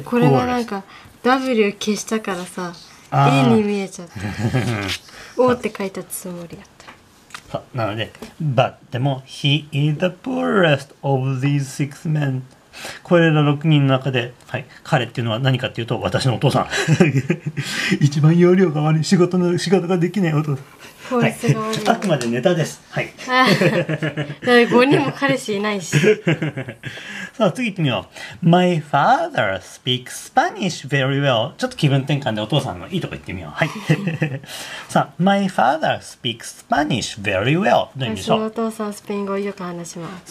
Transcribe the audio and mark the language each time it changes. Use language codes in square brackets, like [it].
[ja] これがなんか W 消したからさ、A に見えちゃった。 O って書いたつもりだった。そう、なので、But でも、 [en] He is the poorest of these six men。 [ja] これら6人の中で、はい、彼っていうのは何かっていうと、私のお父さん。一番容量が悪い、仕事ができないお父さん。はい、あくまでネタです。はい。だから5人も彼氏いないし。さあ次行ってみよう。 [en] My father speaks Spanish very well。 [ja] ちょっと気分転換でお父さんのいいとこ行ってみよう。はい。 [en] さあ、My father speaks Spanish very well。 [ja] どういう意味でしょう。私のお父さんスペイン語をよく話します。